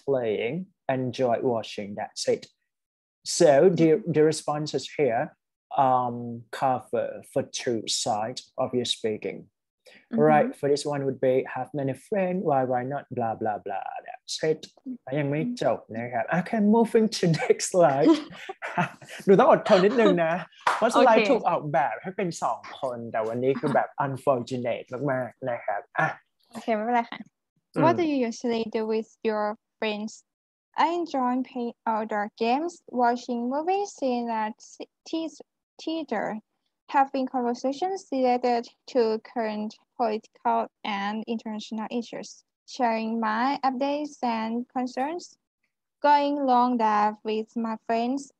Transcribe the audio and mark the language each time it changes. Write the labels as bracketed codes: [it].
[en] playing, enjoy watching. That's it. So the responses here cover for two sides of your speaking. Mm-hmm. Right, for this one would be have many friends, why not, blah, blah, blah. That's it. Mm-hmm. Okay, moving to next slide. [th] ดูต้องอดทนนิดนึงนะเพราะสไลด์ถูกออกแบบให้เป็น2คนแต่วันนี้คือแบบ unfortunate มากๆนะครับอ่ะ โอเคไม่เป็นไรค่ะ [en] What do you usually do with your friends? I enjoy playing outdoor games, watching movies in a theater, having conversations related to current political and international issues, sharing my updates and concerns, going long dive with my friends.